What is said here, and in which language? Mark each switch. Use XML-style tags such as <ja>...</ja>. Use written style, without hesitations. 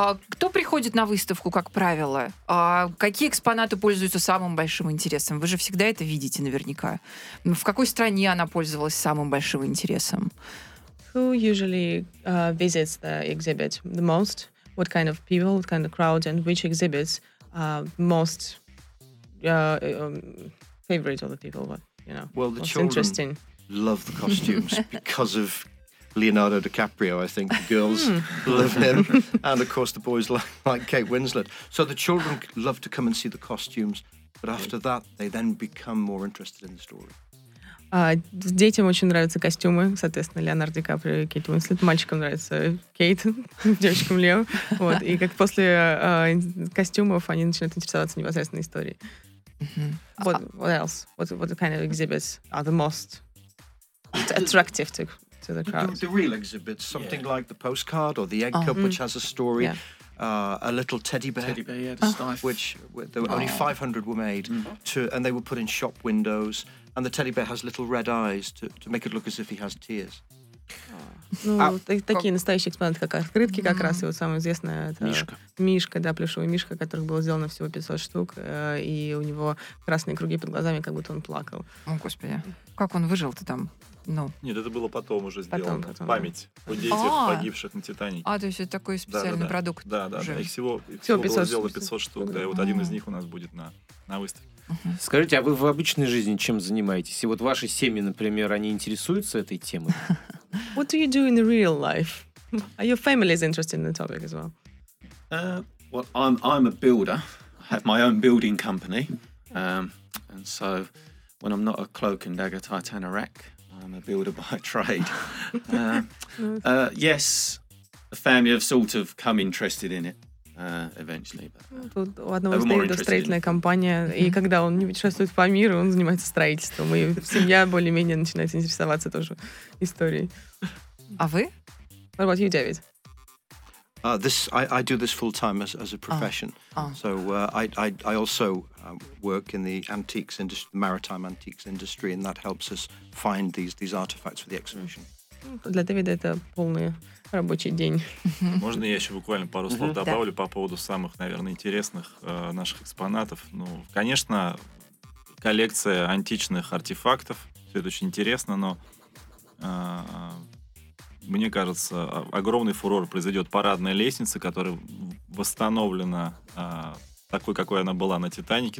<ru>Кто приходит на выставку, как правило? Какие экспонаты пользуются самым большим интересом? Вы же всегда это видите наверняка. В какой стране она пользовалась самым большим интересом?</ru> <en>Who usually visits the exhibit the most? What kind of people, what kind of crowd, and which exhibits are most favorite of the people? What you know? Well, the children love the costumes because of Leonardo DiCaprio. I think the girls love him, and of course the boys like Kate Winslet. So the children love to come and see the costumes, but after that they then become more interested in the story.</en> <ru>Детям очень нравятся костюмы, соответственно, Леонардо Ди Каприо и Кейт Уинслет. Мальчикам нравится Кейт, девочкам Лео. Вот. И как после костюмов они начинают интересоваться непосредственно историей.</ru> <en>Mm-hmm. What else? What kind of exhibits are the most attractive to the crowd? The real exhibits, something like the postcard or the egg cup, which has a story. Yeah. A little teddy bear yeah, the which there were only 500 were made to, and they were put in shop windows, and the teddy bear has little red eyes to make it look as if he has tears.</en> <ru>Ну, такие настоящие экспонаты, как открытки, как раз, и вот самое известное это Мишка, да, плюшевый Мишка, которых было сделано всего 500 штук, и у него красные круги под глазами, как будто он плакал. О, господи. Как он выжил-то там? Ну. Нет, это было потом уже сделано. Потом. Память о детях погибших на Титанике. А, то есть это такой специальный продукт. Да, да, да. Их всего было сделано 500 штук, да, и вот один из них у нас будет на выставке. Скажите, а вы в обычной жизни чем занимаетесь? И вот ваши семьи, например, они интересуются этой темой?</ru> <en>What do you do in the real life? Are your families interested in the topic as well? Well, I'm a builder. I have my own building company. And so when I'm not a cloak and dagger Titanorak, I'm a builder by trade. Yes, the family have sort of come interested in it. eventually. But,</en> <ru>Тут у одного из Дэвида строительная компания, и когда он не путешествует по миру, он занимается строительством, и семья более-менее начинает интересоваться тоже историей. А вы?</ru> <en>What about you, David? This I do this full time as a profession. So I also work in the antiques industry, maritime antiques industry, and that helps us find these artifacts for the exhibition.</en> <ru>Для Дэвида это полный рабочий день. Можно я еще буквально пару слов добавлю по поводу самых, наверное, интересных наших экспонатов? Ну, конечно, коллекция античных артефактов, все это очень интересно, но мне кажется, огромный фурор произойдет парадная лестница, которая восстановлена такой, какой она была на «Титанике».</ru>